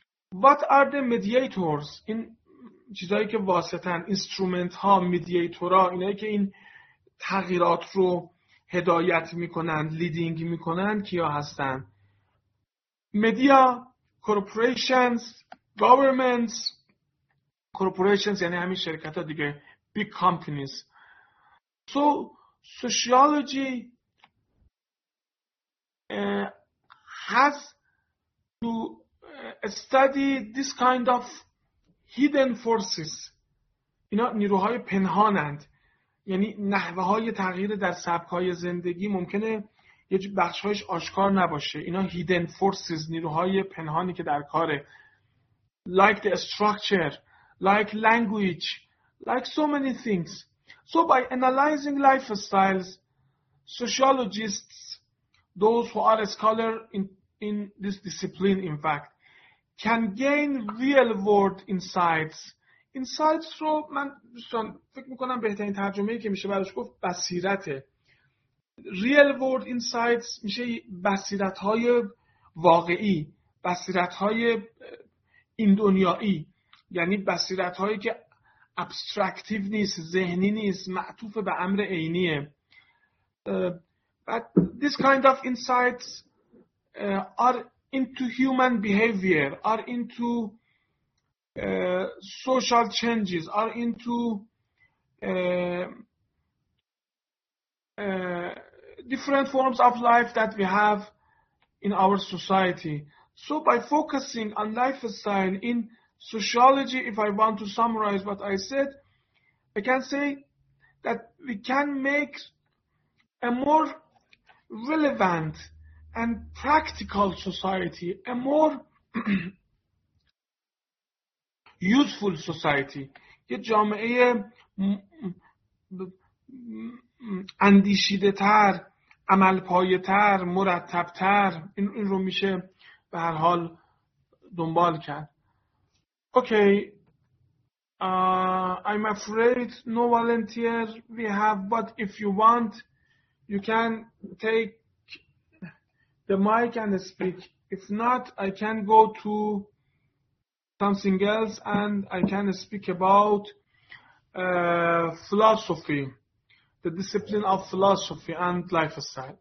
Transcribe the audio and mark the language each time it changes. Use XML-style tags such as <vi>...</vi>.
<en>What are the mediators? In</en> <fa>چیزایی که واسطن, instrument ها, mediator ها, اینایی که این تغییرات رو هدایت میکنن, leading میکنن, کیا هستن؟</fa> <en>Media, corporations, governments,</en> <fa>یعنی همین شرکت ها دیگه,</fa> <en>big companies. So sociology has to study this kind of hidden forces،</en> <fa>اینا نیروهای پنهانند، یعنی نحوه های تغییر در سبک های زندگی ممکنه یه بخش هایش آشکار نباشه، اینا hidden forces، نیروهای پنهانی که در کاره.</fa> <en>Like the structure، like language، like so many things. So by analyzing lifestyles، sociologists، those who are scholar in this discipline in fact، can gain real world insights.</en> <fa>Insights رو من دوستان فکر میکنم بهترین ترجمه‌ای که میشه براش گفت بصیرته.</fa> <en>Real world insights</en> <fa>میشه بصیرت‌های واقعی، بصیرت‌های این دنیایی، یعنی بصیرت‌هایی که ابستراکتیو نیست، ذهنی نیست، معطوف به امر عینیه.</fa> <en>But this kind of insights are into human behavior، are into social changes، are into different forms of life that we have in our society. So by focusing on lifestyle in sociology, if I want to summarize what I said, I can say that we can make a more relevant and practical society, a more useful society.</en> <fa>یه جامعه اندیشیده تر، عمل پایه تر، مرتب تر، این رو میشه به هر حال دنبال کرد. اوکی.</fa> <en>I'm afraid no volunteer we have, but if you want you can take the mic and speak. If not I can go to something else and I can speak about philosophy, the discipline of philosophy and lifestyle.</en>